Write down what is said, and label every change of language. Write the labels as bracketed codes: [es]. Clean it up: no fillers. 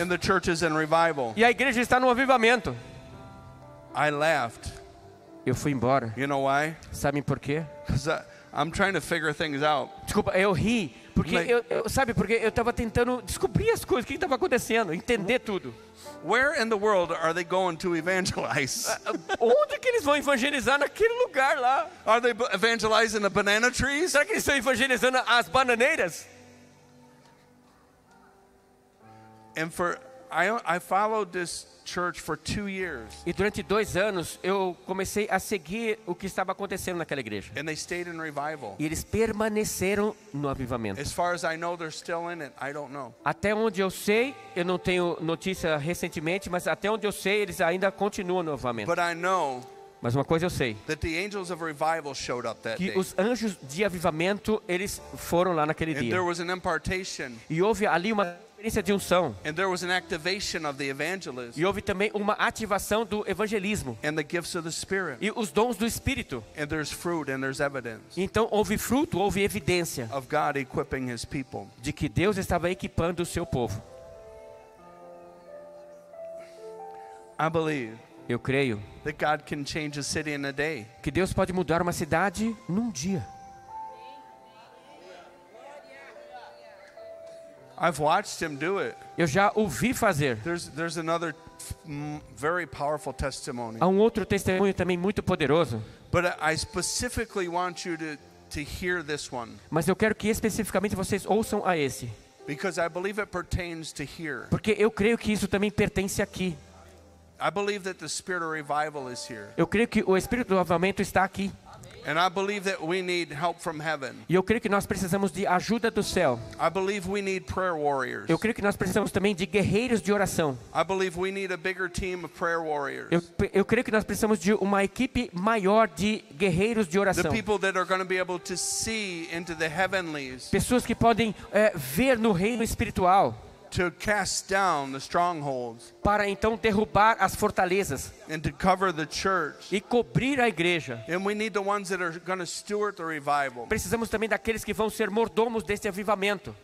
[en] and the church is in revival, [pt] e a igreja está no avivamento. [en] I left. [pt] Eu fui embora. [en] You know why? [pt] Sabe por quê? [en] I'm trying to figure things out. [pt] Desculpa, eu ri porque like, eu sabe porque eu estava tentando descobrir as coisas, o que estava acontecendo, entender tudo. [en] Where in the world are they going to evangelize? [pt] Onde que eles vão evangelizar naquele lugar lá? [en] Are they evangelizing the banana trees? [pt] Será que eles estão evangelizando as bananeiras? [en] And for I followed this church for 2 years. [pt] E durante 2 anos eu comecei a seguir o que estava acontecendo naquela igreja. [en] And they stayed in revival. [pt] E eles permaneceram no avivamento. [en] As far as I know, they're still in it. I don't know. [pt] Até onde eu sei, eu não tenho notícia recentemente, mas até onde eu sei, eles ainda continuam no avivamento. [en] But I know. [pt] Mas uma coisa eu sei. [en] That the angels of revival showed up that day. [pt] Que os anjos de avivamento eles foram lá naquele dia. [en] And there was an impartation. [pt] E houve ali uma de unção. [en] And there was an activation of the evangelism. [pt] E houve também uma ativação do evangelismo. [en] And the gifts of the Spirit. [pt] E os dons do Espírito. [en] And there's fruit and there's evidence. [pt] Então houve fruto, houve evidência. [en] Of God equipping His people. [pt] De que Deus estava equipando o seu povo. [en] I believe. [pt] Eu creio. [en] That God can change a city in a day. [pt] Que Deus pode mudar uma cidade num dia. [en] I've watched him do it. [pt] Eu já o vi fazer. [en] There's another very powerful testimony. [pt] Há um outro testemunho também muito poderoso. [en] But I specifically want you to hear this one. [pt] Mas eu quero que especificamente vocês ouçam a esse. [en] Because I believe it pertains to here. [pt] Porque eu creio que isso também pertence aqui. [en] I believe that the spirit of revival is here. [pt] Eu creio que o espírito do avivamento está aqui. [en] And I believe that we need help from heaven. [pt] E eu creio que nós precisamos de ajuda do céu. [en] I believe we need prayer warriors. [pt] Eu creio que nós precisamos também de guerreiros de oração. [en] I believe we need a bigger team of prayer warriors. [pt] Eu creio que nós precisamos de uma equipe maior de guerreiros de oração. [en] The people that are going to be able to see into the heavenlies. [pt] Pessoas que podem ver no reino espiritual. [en] To cast down the strongholds. [pt] Para então derrubar as fortalezas. [en] And to cover the church. [pt] E cobrir a igreja. [en] And we need the ones that are going to steward the revival. [pt] Precisamos também daqueles que vão ser mordomos deste avivamento.